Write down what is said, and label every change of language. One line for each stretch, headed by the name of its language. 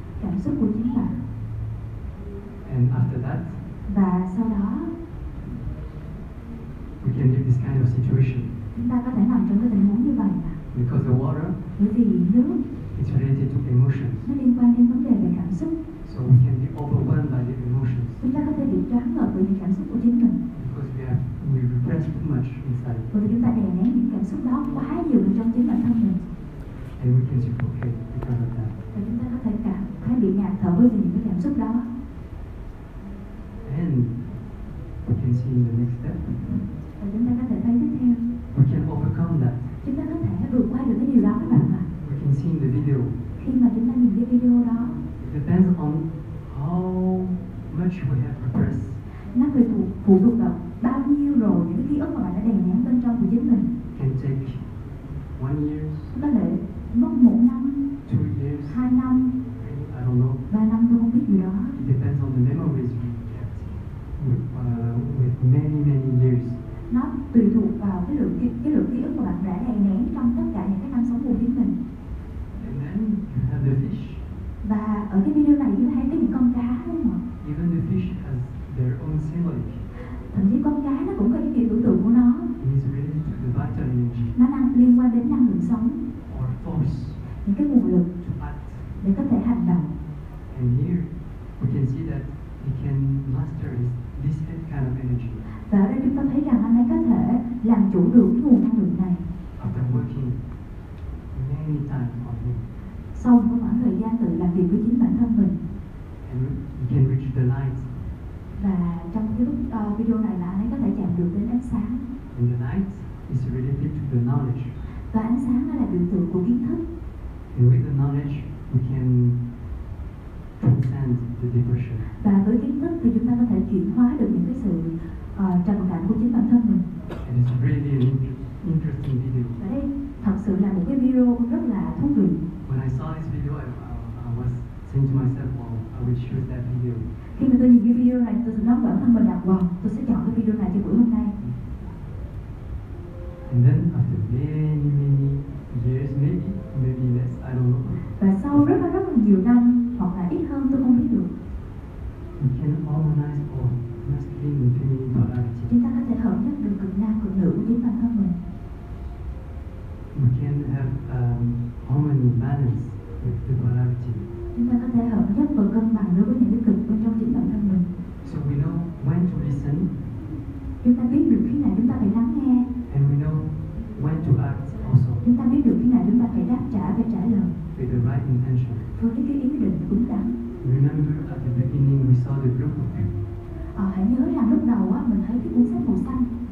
Vietnamese: Cảm xúc của chính bạn.
English: And after that.
Vietnamese: Và sau đó.
English: We can live this kind of situation.
Vietnamese: Chúng ta có thể nằm trong cái tình huống như vậy.
English: Because the water.
Vietnamese: Bởi vì nước.
English: It's related to emotions.
Vietnamese: Nó liên quan đến vấn đề về cảm xúc.
English: So we can be overwhelmed by the emotions.
Vietnamese: Chúng ta có thể bị choáng ngợp bởi những cảm xúc của chính mình.
English: Because we repress too much inside.
Vietnamese: Bởi vì chúng ta đè nén những cảm xúc đó quá nhiều trong chính bản thân mình.
English: And we can suffocate because of that.
Vietnamese: Và chúng ta có thể cảm thấy bị ngạt thở bởi vì những cảm xúc đó.
English: And we can see in the next step.
Vietnamese: Và chúng ta có thể thấy tiếp theo.
English: We can overcome that.
Vietnamese: Chúng ta có thể vượt qua được cái điều đó các bạn ạ.
English: We can see in the video.
Vietnamese: Khi mà chúng ta nhìn cái video đó.
English: It depends on how much we have repressed.
Vietnamese: Nó phải phụ thuộc vào bao nhiêu rồi những ký ức mà bạn đã đè nén bên trong của chính mình.
English: Can take 1 year.
Vietnamese: Có thể mất 1 năm.
English: 2 years.
Vietnamese: 2 năm.
English: I don't know.
Vietnamese: 3 năm tôi không biết gì đó.
English: It depends on the memories we kept with many years.
Vietnamese: Nó tùy thuộc vào cái lượng ký ức mà bạn đã đè nén trong tất cả những cái năm sống của chính mình.
English: And then you have the fish.
Vietnamese: Và ở cái video này chúng ta thấy những con cá đúng không?
English: Even the fish has their own symbolic.
Vietnamese: Thậm chí con cá nó cũng có những kiểu biểu tượng của nó.
English: It is related to the vital energy.
Vietnamese: Nó đang liên quan đến năng lượng sống.
English: Or force.
Vietnamese: Những cái nguồn lực.
English: To act.
Vietnamese: Để có thể hành động.
English: And here we can see that he can master this kind of energy.
Vietnamese: Và ở đây chúng ta thấy rằng anh ấy có thể làm chủ được cái nguồn năng lượng này.
English: After working many times on him.
Vietnamese: Sau một khoảng thời gian tự làm việc với chính bản thân mình.
English: And you can reach the light.
Vietnamese: Và trong cái lúc video này là anh ấy có thể chạm được đến ánh sáng.
English: And the light is related to the knowledge.
Vietnamese: Và ánh sáng là biểu tượng của kiến thức.
English: And with the knowledge, we can transcend the depression.
Vietnamese: Và với kiến thức thì chúng ta có thể chuyển hóa được những cái sự trầm cảm của chính bản thân mình.
English: And it's really an interesting video.
Vietnamese: Và đây thật sự là một cái video rất là thú vị.
English: When I saw this video, I was saying to myself, "Wow, I will choose that video."
Vietnamese: Khi mà tôi nhìn cái video này, tôi nói bản thân mình là, "Wow, tôi sẽ chọn cái video này cho buổi hôm nay."
English: And then after many years, maybe less, I don't know.
Vietnamese: Và sau rất là nhiều năm hoặc là ít hơn, tôi không biết được.
English: We can harmonize our masculine and feminine polarity.
Vietnamese: Chúng ta có thể hợp nhất được cực nam cực nữ của chính bản thân mình.
English: We can have harmony balance with the polarity.
Vietnamese: Chúng ta có thể hợp nhất và cân bằng đối với những cái cực bên trong chính bản thân mình.
English: So we know when to listen.
Vietnamese: Chúng ta biết được khi nào chúng ta phải lắng nghe.
English: And we know when to act also.
Vietnamese: Chúng ta biết được khi nào chúng ta phải đáp trả và trả lời.
English: With the right intention.
Vietnamese: Với cái ý định đúng đắn.
English: Remember at the beginning we saw the group of people.
Vietnamese: Hãy nhớ rằng lúc đầu mình thấy cái cuốn sách màu xanh.